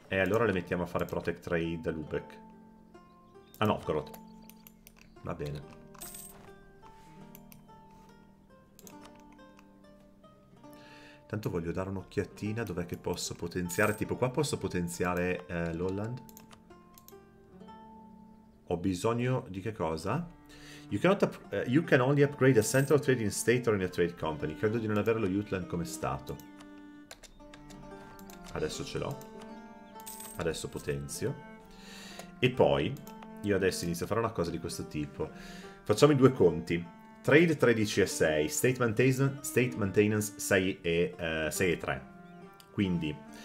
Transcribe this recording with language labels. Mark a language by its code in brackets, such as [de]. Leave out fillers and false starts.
[it] E allora le mettiamo a fare Protect Trade da Lubeck. A Novgorod. Va bene. Tanto voglio dare un'occhiatina dov'è che posso potenziare. Tipo qua posso potenziare l'Holland. Ho bisogno di che cosa? [en] You can only upgrade a central trading state or in a trade company. [it] Credo di non avere lo Jutland come stato. Adesso ce l'ho. Adesso potenzio. E poi, io adesso inizio a fare una cosa di questo tipo. Facciamo i due conti. Trade 13 e 6. State maintenance 6 e 6 e 3. Quindi...